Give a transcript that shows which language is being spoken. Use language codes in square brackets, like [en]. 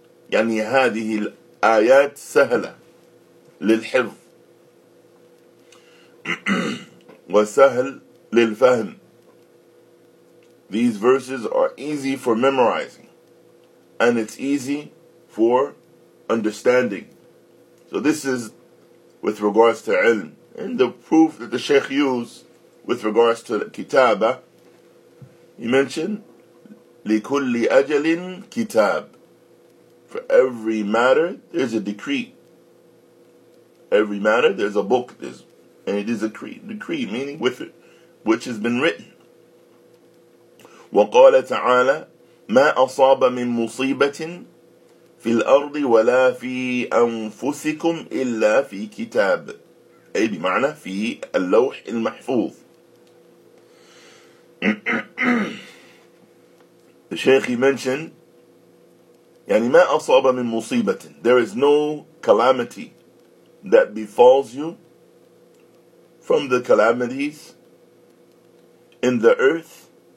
[ar] يعني هذه الآيات سهلة للحفظ وسهل للفهم. [en] These verses are easy for memorizing, and it's easy for understanding. So this is with regards to ilm. And the proof that the Shaykh used with regards to kitaba, he mentioned [ar] لِكُلِّ أَجَلٍ [en] kitab. For every matter there's a decree. Every matter there's a book, and it is a decree, meaning with it, which has been written. [ar] وَقَالَ تَعَالَى مَا أَصَابَ مِن مُصِيبَةٍ فِي الْأَرْضِ وَلَا فِي أَنفُسِكُمْ إِلَّا فِي كِتَابٍ. أي بمعنى في اللوح المحفوظ. [en] The Shaykh mentioned, [ar] يعني ما أصاب من مصيبة. [en] There is no calamity that befalls you from the calamities in the earth